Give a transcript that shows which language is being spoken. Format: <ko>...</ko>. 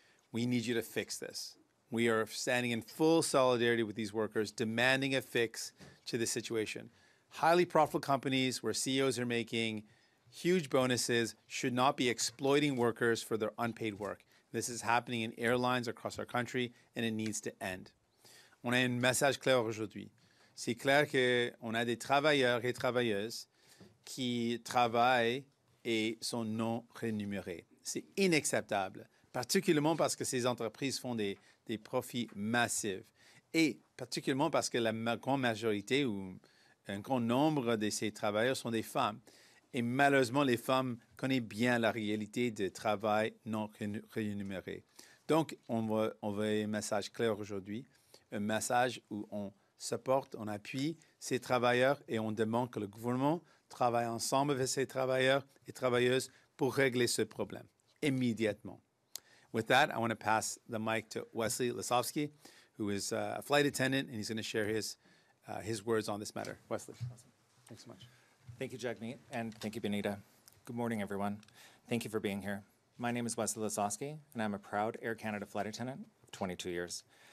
<en>We need you to fix this. We are standing in full solidarity with these workers, demanding a fix to this situation. Highly profitable companies where CEOs are making huge bonuses should not be exploiting workers for their unpaid work. This is happening in airlines across our country, and it needs to end.</en> <fr>On a un message clair aujourd'hui. C'est clair qu'on a des travailleurs et travailleuses qui travaillent et sont non rémunérés. C'est inacceptable, particulièrement parce que ces entreprises font des profits massifs et particulièrement parce que la grande majorité ou un grand nombre de ces travailleurs sont des femmes. Et malheureusement, les femmes connaissent bien la réalité du travail non rémunéré. Donc, on veut un message clair aujourd'hui. Un message où on supporte, on appuie ces travailleurs et on demande que le gouvernement travaille ensemble avec ces travailleurs et travailleuses pour régler ce problème immédiatement.</fr> <en>With that, I want to pass the mic to Wesley Lasovsky, who is a flight attendant, and he's going to share his words on this matter. Wesley. Awesome. Thanks so much. Thank you, Jagmeet, and thank you, Benita. Good morning, everyone. Thank you for being here. My name is Wesley Lasovsky, and I'm a proud Air Canada flight attendant of 22 years.</en>